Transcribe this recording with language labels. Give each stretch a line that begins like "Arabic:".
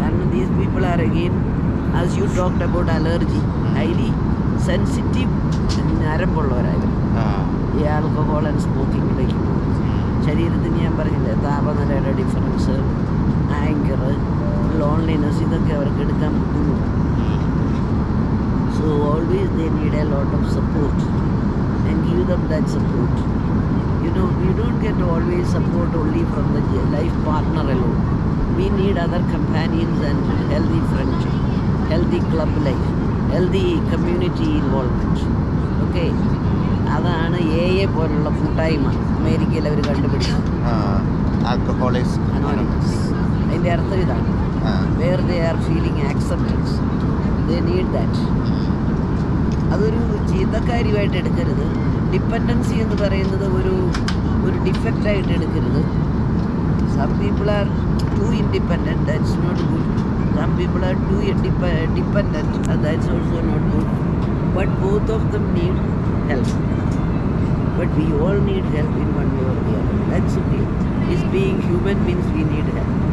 English: These people are, again, as you talked about allergy, highly sensitive and
Malayalam: നരമ്പുള്ളവരായിരുന്നു. ഈ alcohol and സ്മോക്കിങ്ങിലേക്ക് ശരീരത്തിന് ഞാൻ പറഞ്ഞില്ലേ താപനിലയുടെ ഡിഫറൻസ്, ആങ്കർ, ലോൺലിനെസ്, ഇതൊക്കെ അവർക്ക് എടുക്കാൻ പറ്റുന്നു.
English: So always they need a lot of support and give them that support. You know, we don't get always support only from the life partner alone. We need other companions and healthy friendship, healthy club life, healthy community involvement. Okay?
Malayalam: അതാണ് AA പോലുള്ള കൂട്ടായ്മ അമേരിക്കയിൽ അവർ കണ്ടുപിടിച്ചത്. Alcoholics anonymous, അതിൻ്റെ അർത്ഥം ഇതാണ്.
English: Where they are feeling acceptance, they need that.
Malayalam: അതൊരു ചീത്തക്കാരിയുമായിട്ട് എടുക്കരുത്. ഡിപ്പെൻഡൻസി എന്ന് പറയുന്നത് ഒരു ഡിഫക്റ്റായിട്ട് എടുക്കരുത്.
English: Some people are too independent, that's not good. Some people are too dependent, that's also not good. But both of them need help. But we all need help in one way or the other. That's okay. Is being human means we need help.